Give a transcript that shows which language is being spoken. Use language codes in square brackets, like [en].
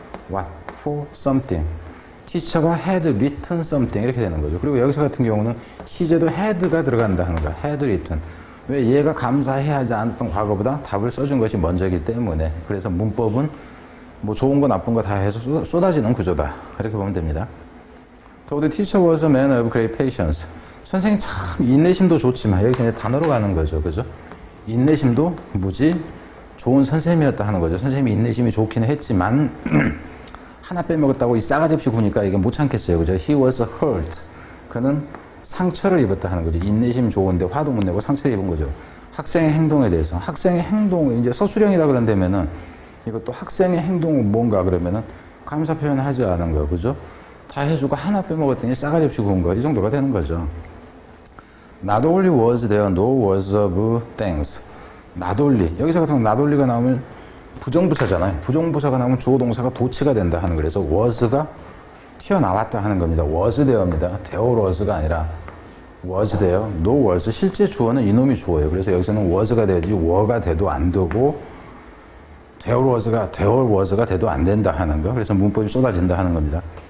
[en] What for something. teacher가 had written something. [ko] 이렇게 되는 거죠. 그리고 여기서 같은 경우는 시제도 had가 들어간다 하는 거야. [en] had written. [ko] 왜 얘가 감사해야 하지 않았던 과거보다 답을 써준 것이 먼저이기 때문에. 그래서 문법은 뭐 좋은 거 나쁜 거 다 해서 쏟아지는 구조다. 이렇게 보면 됩니다. [en] Though the teacher was a man of great patience. [ko] 선생님 참 인내심도 좋지만 여기서 이제 단어로 가는 거죠. 그죠? 인내심도 무지 좋은 선생님이었다 하는 거죠. 선생님이 인내심이 좋긴 했지만 하나 빼먹었다고 이 싸가지 없이 구니까 이게 못 참겠어요. 그죠? [en] He was hurt. [ko] 그는 상처를 입었다 하는 거죠. 인내심 좋은데 화도 못 내고 상처를 입은 거죠. 학생의 행동에 대해서. 학생의 행동은 이제 서술형이다 그런다면은 이것도 학생의 행동은 뭔가 그러면은 감사 표현을 하지 않은 거예요. 그죠? 다 해주고 하나 빼먹었더니 싸가지 없이 구운 거예요. 이 정도가 되는 거죠. [en] Not only was there no words of thanks. [ko] 나돌리. 여기서 같은 경우 나돌리가 나오면 부정부사잖아요. 부정부사가 나오면 주어동사가 도치가 된다 하는 거래서 was가 튀어나왔다 하는 겁니다. [en] was there입니다. there was가 [ko] 아니라 [en] was there. no was. [ko] 실제 주어는 이놈이 주어예요. 그래서 여기서는 was가 돼야지 were가 돼도 안 되고 there was가 돼도 안 된다 하는 거. 그래서 문법이 쏟아진다 하는 겁니다.